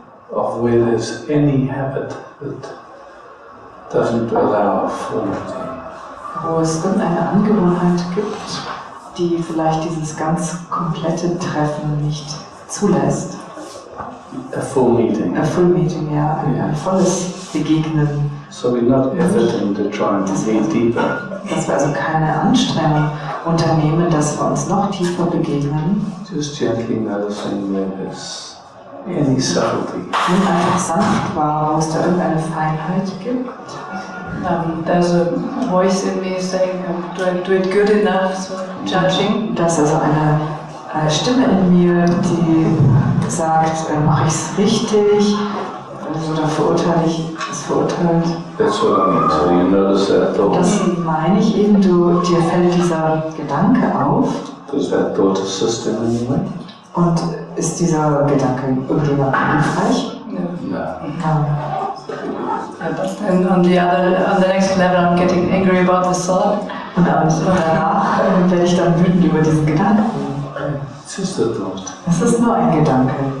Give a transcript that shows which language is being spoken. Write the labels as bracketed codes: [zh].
[en] Of where there's any habit that doesn't allow for anything. [de] Wo es irgendeine Angewohnheit gibt, die vielleicht dieses ganz komplette Treffen nicht zulässt. [en] A full meeting. A full meeting, [de] ja. [en] Yeah. [de] Ein volles Begegnen. [en] So we're not efforting to try and see deeper. [de] Dass wir also keine Anstrengung unternehmen, dass wir uns noch tiefer begegnen. [en] Just gently noticing where there's any subtlety. [de] Wenn einfach sanft war, wo es da irgendeine Feinheit gibt. [en] There's a voice in me saying, do I do it good enough, so judging? [de] Da ist also eine Stimme in mir, die sagt, mache ich es richtig? Oder verurteile ich es verurteilt? [en] That's what I'm saying, that is that thought. [de] Das meine ich eben, du, dir fällt dieser Gedanke auf. [en] Does that thought assist in any way? [de] Und ist dieser Gedanke irgendwie hilfreich? Nein. [en] Und on the other, on the next level, I'm getting angry about the thought. [de] Und danach werde ich dann wütend über diesen Gedanken. [en] It's just a thought. [de] Es ist nur ein Gedanke.